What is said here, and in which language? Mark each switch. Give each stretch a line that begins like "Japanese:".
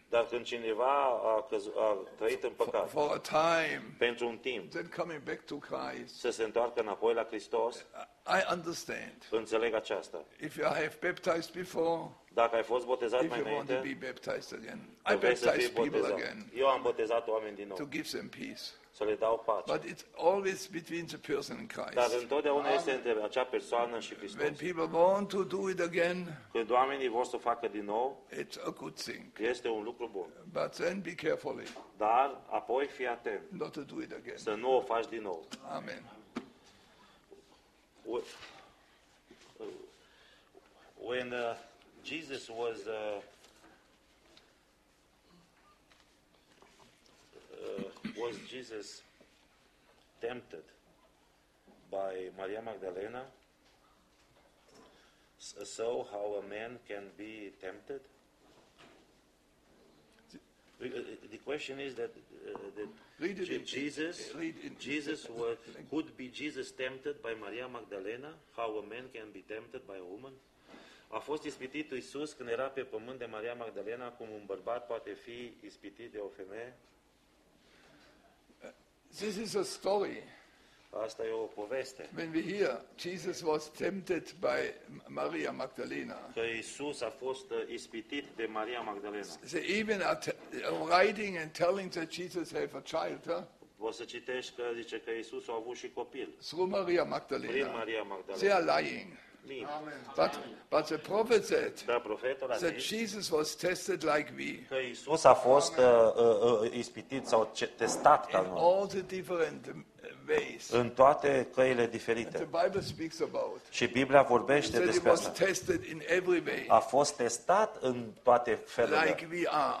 Romanian: dar când cineva a trăit în păcat,
English: for a time,
Romanian: pentru un timp,
English: then coming back to Christ,
Romanian: să se întoarcă înapoi la Hristos,
English: I understand.
Romanian: Înțeleg aceasta.
English: If you have baptized before,
Romanian: dacă ai fost botezat mai înainte,
English: if you want to be baptized again, I baptize people again.
Romanian: Eu am botezat oameni din nou.
English: To give them peace.
Romanian: Să le dau pace.
English: But it's always between the person and Christ.
Romanian: Dar întotdeauna este între acea persoană și Hristos.
English: When people want to do it again,
Romanian: când oamenii vor să facă din nou,
English: it's a good thing.
Romanian: Este un lucru bun.
English: But then be carefully.
Romanian: Dar apoi fii atent.
English: Not to do it again.
Romanian: Să nu o faci din nou.
English: Amen. When Jesus was was Jesus tempted by Maria Magdalena? So how a man can be tempted? The question is that could be Jesus tempted by Maria Magdalena? How a man can be tempted by a woman?
Romanian: A fost ispitit Iisus când era pe pământ de Maria Magdalena, cum un bărbat poate fi ispitit de o femeie?
English: This is a story.
Romanian: Asta e o poveste.
English: When we hear Jesus was tempted by Maria Magdalena.
Romanian: Că Iisus a fost ispitit de Maria Magdalena.
English: So even writing and telling that Jesus have a child.
Romanian: Poți să citești că zice că Iisus a avut și copil.
English: Through Maria Magdalena.
Romanian: Prin Maria Magdalena.
English: They are lying. Amen. But the prophet said that Jesus was tested like we.
Romanian: Că Iisus a fost ispitit sau testat ca noi.
English: In all the different ways.
Romanian: În toate căile diferite.
English: The Bible speaks about.
Romanian: Și Biblia vorbește despre asta.
English: He was tested in every way.
Romanian: A fost testat în toate felurile.
English: Like we are.